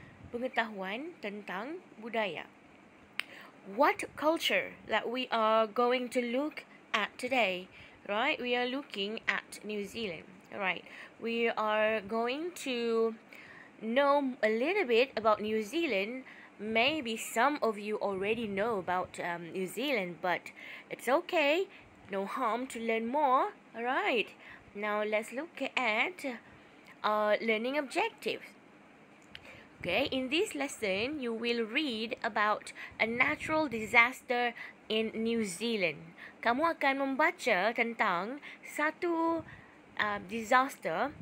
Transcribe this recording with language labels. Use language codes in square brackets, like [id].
[id] Pengetahuan tentang budaya. [en] What culture that we are going to look at today, right? We are looking at New Zealand, right? We are going to know a little bit about New Zealand. Maybe some of you already know about New Zealand, but it's okay, no harm to learn more. All right, now let's look at our learning objectives. Okay, in this lesson you will read about a natural disaster in New Zealand. [id] Kamu akan membaca tentang satu disaster.